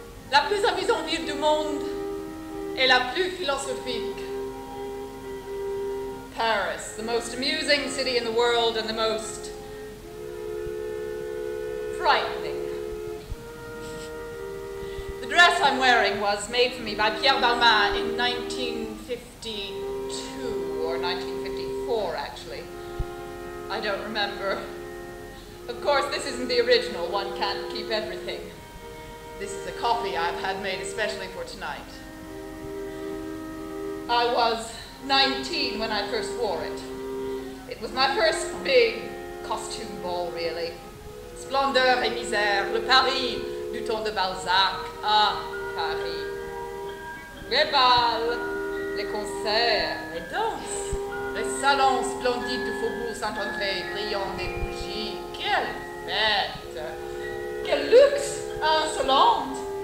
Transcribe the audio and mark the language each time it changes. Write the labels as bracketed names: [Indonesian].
[French] La plus amusante ville du monde et la plus philosophique. [English] Paris, the most amusing city in the world and the most frightening. The dress I'm wearing was made for me by Pierre Balmain in 1952 or 1954, actually. I don't remember. Of course, this isn't the original. One can't keep everything. This is a copy I've had made especially for tonight. I was 19 when I first wore it. It was my first big costume ball, really. [French] Splendeur et misère, le Paris du temps de Balzac. Ah, Paris. Les balles, les concerts, les danses, les salons splendides du Faubourg Saint-André, brillants des bougies. Quelle fête! Quel luxe! Insolente!